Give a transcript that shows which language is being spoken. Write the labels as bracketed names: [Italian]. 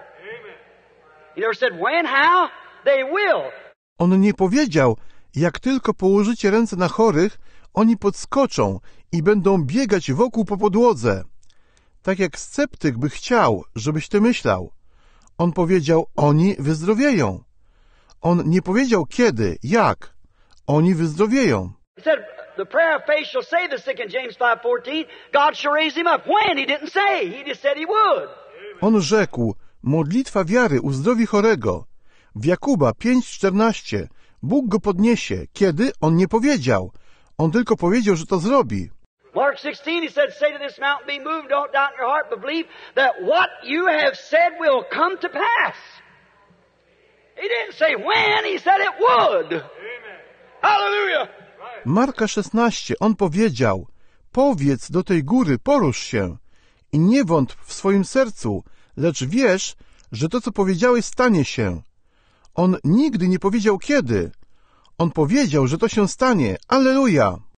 [English] Amen. He never said when, how. They will. [Polish] On nie powiedział, jak tylko położycie ręce na chorych, oni podskoczą i będą biegać wokół po podłodze. Tak jak sceptyk by chciał, żebyś ty myślał. On powiedział, oni wyzdrowieją. On nie powiedział kiedy, jak. Oni wyzdrowieją. [English] He said, the prayer of faith shall save the sick in James 5:14. God shall raise him up. When? He didn't say. He just said he would. [Polish] On rzekł, modlitwa wiary uzdrowi chorego. W Jakuba 5:14. Bóg go podniesie. Kiedy? On nie powiedział. On tylko powiedział, że to zrobi. [English] Mark 16, he said, say to this mountain, be moved, don't doubt in your heart, but believe that what you have said will come to pass. He didn't say when, he said it would. Amen. Hallelujah. [Polish] Marka 16, on powiedział, powiedz do tej góry, porusz się i nie wątp w swoim sercu, lecz wierz, że to, co powiedziałeś, stanie się. On nigdy nie powiedział kiedy. On powiedział, że to się stanie. Alleluja!